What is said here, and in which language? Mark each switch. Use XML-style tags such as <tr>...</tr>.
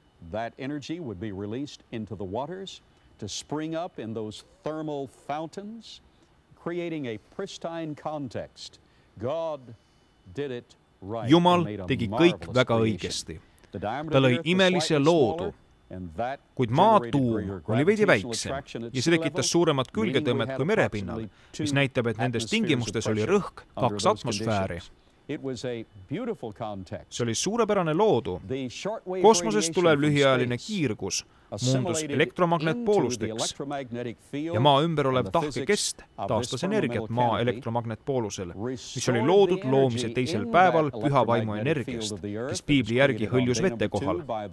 <en>That energy would be released into the waters to spring up in those thermal fountains, creating a pristine context. God did it right.</en> <et>Jumal tegi kõik väga õigesti. Ta lõi imelise loodu, kuid maatuum oli veidi väiksem ja see tekitas suuremat külgetõmmet kui merepinnal, mis näitab, et nendes tingimustes oli rõhk kaks atmosfääri.</et> <en>It was a beautiful context.</en> <et>See oli suurepärane loodu. Kosmoses tulev lühiajaline kiirgus muundus elektromagnetpoolusteks ja maa ümber olev tahkekest taastas energiat maa elektromagnetpoolusel, mis oli loodud loomise teisel päeval püha vaimu energiast, kes piibli järgi hõljus vette kohal.</et>